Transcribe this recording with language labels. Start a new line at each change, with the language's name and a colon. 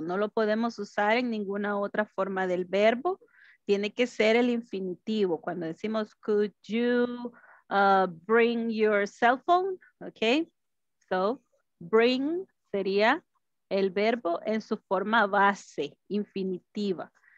Spanish: No lo podemos usar en ninguna otra forma del verbo. Tiene que ser el infinitivo. Cuando decimos,
English: could you bring your cell phone?
Spanish: Okay, so bring sería el verbo en su forma base, infinitiva.